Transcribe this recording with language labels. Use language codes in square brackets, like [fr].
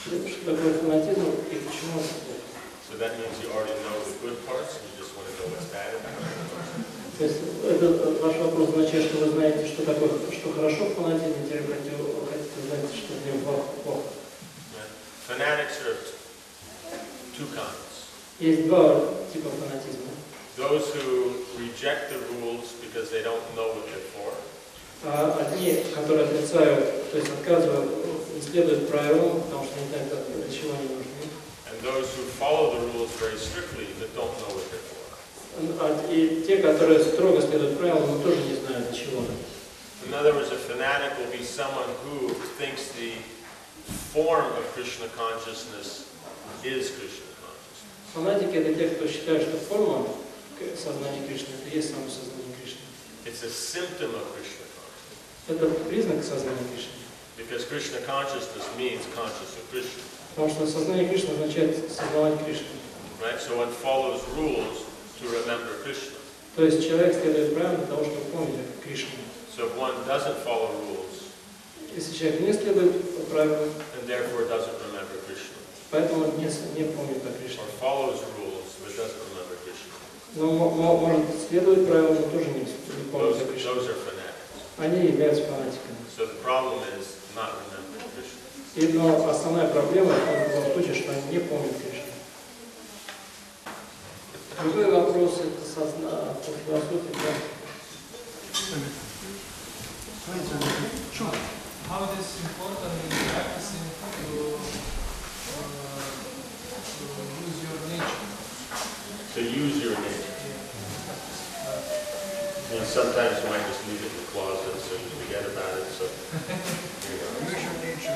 [ru] Что такое фанатизм и почему? [en] So that means you already know the good parts, and you just want to know what's bad about it. [ru] То есть этот ваш вопрос означает, что вы знаете, что такое, что хорошо в фанатизме, теперь вы хотите узнать, что в нем плохо. [en] Fanatics are two kinds. [ru] Есть два типа фанатизма. [en] Those who reject the rules because they don't know what they're for. [ru] Одни, которые отрицают, то есть отказывают, не следуют правилам, потому что они знают, для чего они нужны. [en] And those who follow the rules very strictly but don't know what they're for. [ru] И те, которые строго следуют правилам, но тоже не знают, для чего. [en] In other words, a fanatic will be someone who thinks the form of Krishna consciousness is Krishna consciousness. [ru] Фанатики — это те, кто считает, что форма сознания Кришны — это есть само сознание Кришны. [en] It's a symptom of Krishna consciousness. [ru] Это признак сознания Кришны. [en] Because Krishna consciousness means conscious of Krishna. [ru] Потому что сознание Кришны означает сознавать Кришну. [en] Right? So one follows rules to remember Krishna. [ru] То есть человек следует правилам для того, чтобы помнить Кришну. [en] So if one doesn't follow rules, [ru] если человек не следует правилам, [en] then therefore doesn't remember Krishna. [ru] Поэтому не помнит о Кришне. [en] Or follows rules but doesn't remember Krishna. [ru] Но может следовать правилам, но тоже не помнит о Кришне. [en] Those are fanatics. [ru] Они являются фанатиками. [en] So the problem is not remembering Krishna. [ru] И но основная проблема в том случае, что они не помнят Кришну. Другой вопрос это по философии, да. [en] How this important in practicing to use your nature? To use your nature. And sometimes you might just leave it in the closet so you forget about it. So you use your nature.